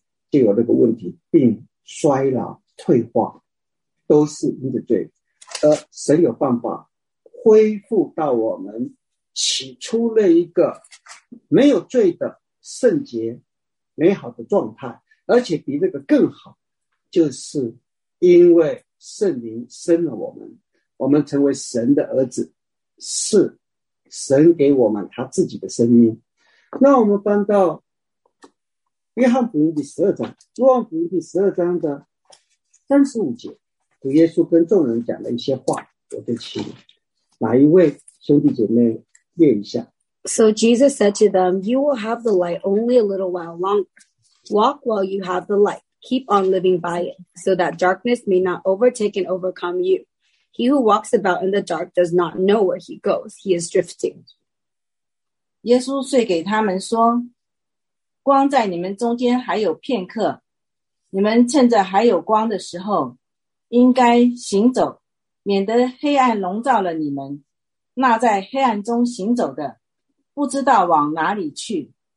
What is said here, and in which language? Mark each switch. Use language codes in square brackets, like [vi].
[zh] 就有那个问题，病、衰老、退化，都是因着罪，而神有办法恢复到我们起初那一个没有罪的圣洁美好的状态，而且比那个更好，就是因为圣灵生了我们，我们成为神的儿子，是神给我们他自己的生命。那我们翻到约翰福音第十二章，约翰福音第十二章的35节，主耶稣跟众人讲了一些话，我就请哪一位兄弟姐妹念一下。 [en] So Jesus said to them, you will have the light only a little while longer. Walk while you have the light. Keep on living by it, so that darkness may not overtake and overcome you. He who walks about in the dark does not know where he goes. He is drifting. [zh] 耶稣遂给他们说，光在你们中间还有片刻，你们趁着还有光的时候，应该行走，免得黑暗笼罩了你们。那在黑暗中行走的不知道往哪里去。